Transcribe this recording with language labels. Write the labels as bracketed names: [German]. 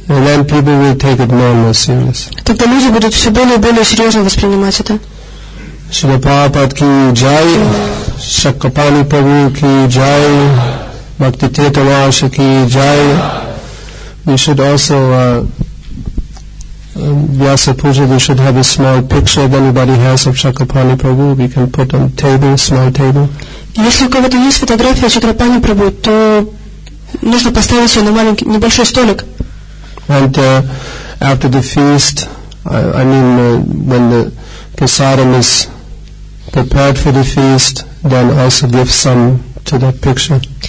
[English] And then people will take it more and more serious. [Russian] Тогда люди будут все более и более серьезно воспринимать это. Шрила Прабхупада ки джай, Шакьяпани Прабху ки джай, Бхакти Тетраваша ки джай. [English] We should also, Vyasa Puja, we should have a small picture if anybody has of Shakyapani Prabhu. We can put on table, small table. [Russian] Если у кого-то есть фотография Шакьяпани Прабху, то нужно поставить ее на маленький, небольшой столик. [English] And after the feast, when the prasadam is prepared for the feast, then also give some to that picture.